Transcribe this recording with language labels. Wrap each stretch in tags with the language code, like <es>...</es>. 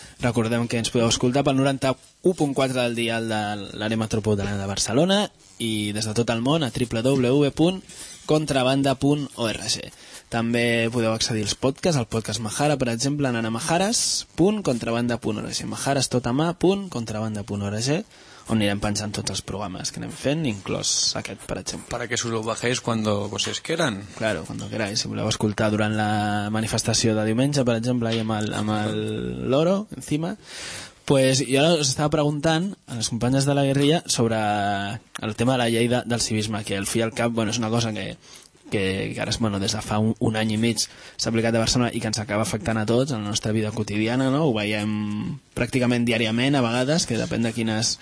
<ca>Recordem que ens podeu escoltar pel 91.4 del dial de l'àrea metropolitana de Barcelona i des de tot el món a www.contrabanda.org. També podeu accedir als podcasts, al podcast Majara, per exemple, anant a majares.contrabanda.org, majarestotamà.contrabanda.org, on anirem penjant tots els programes que anem fent, inclòs aquest, per exemple.</ca> <es>Para que se lo bajéis cuando vosotros quieran. Claro, cuando queráis.</es> <ca>Si voleu escoltar durant la manifestació de diumenge, per exemple, ahí amb el loro, encima. Pues jo us estava preguntant a les companyes de la guerrilla sobre el tema de la llei del civisme, que al fi i al cap, bueno, és una cosa que ara, bueno, des de fa un any i mig s'ha aplicat a Barcelona i que ens acaba afectant a tots en la nostra vida quotidiana, no? Ho veiem pràcticament diàriament, a vegades, que depèn de quines...</ca>